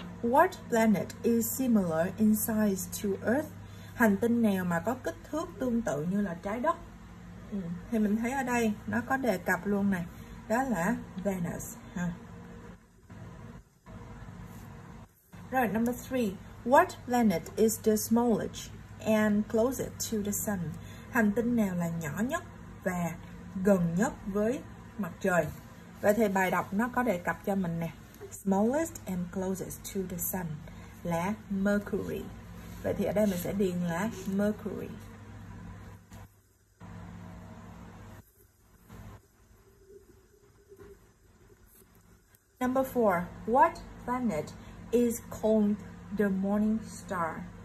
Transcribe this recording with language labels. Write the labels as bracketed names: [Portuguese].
[English] What planet is similar in size to Earth? [Vietnamese] Hành tinh nào mà có kích thước tương tự như là trái đất? Thì mình thấy ở đây nó có đề cập luôn này. Đó là Venus. [English] Rồi, number 3. What planet is the smallest and closest to the sun? [Vietnamese] Hành tinh nào là nhỏ nhất và gần nhất với mặt trời? Vậy thì bài đọc nó có đề cập cho mình nè. [English] Smallest and closest to the sun là Mercury. [Vietnamese] Vậy thì ở đây mình sẽ điền là Mercury. [English] Number 4. What planet is called the morning star?